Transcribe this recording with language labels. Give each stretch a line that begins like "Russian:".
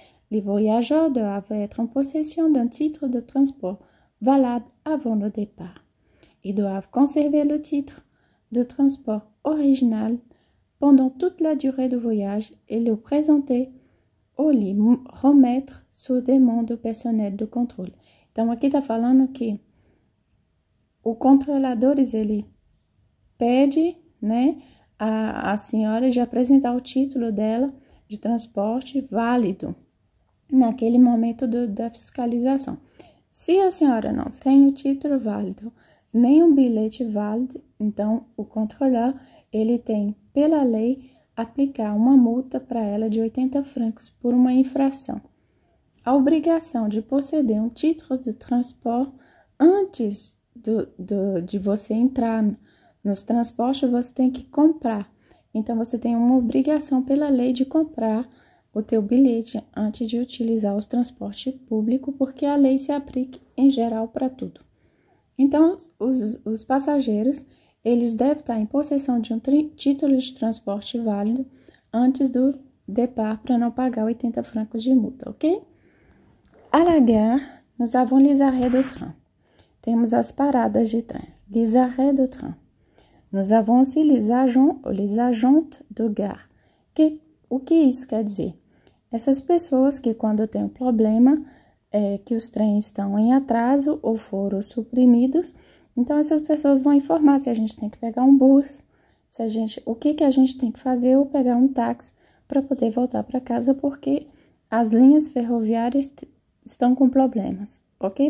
French: Les voyageurs doivent être en possession d'un titre de transport valable avant le départ. Ils doivent conserver le titre de transport original pendant toute la durée du voyage et le présenter ou le remettre sous demande au personnel de contrôle.
Portuguese: Então, aqui está falando que o controlador, ele pede, né, a senhora de apresentar o título dela de transporte válido naquele momento da fiscalização. Se a senhora não tem o título válido, nem um bilhete válido, então o controlador, ele tem, pela lei, aplicar uma multa para ela de 80 francos por uma infração. A obrigação de posseder um título de transporte antes de você entrar nos transportes, você tem que comprar. Então, você tem uma obrigação pela lei de comprar o teu bilhete antes de utilizar os transportes públicos, porque a lei se aplica em geral para tudo. Então, os passageiros, eles devem estar em possessão de um título de transporte válido antes do départ para não pagar 80 francos de multa, ok?
French: À la gare, nous avons les arrêts de train.
Portuguese: Temos as paradas de trem.
French: Les arrêts de train. Nous avons aussi les agents ou les agentes de gare.
Portuguese: O que isso quer dizer? Essas pessoas que quando tem um problema, que os trens estão em atraso ou foram suprimidos, então essas pessoas vão informar se a gente tem que pegar um bus, o que a gente tem que fazer ou pegar um táxi para poder voltar para casa porque as linhas ferroviárias estão com problemas, ok?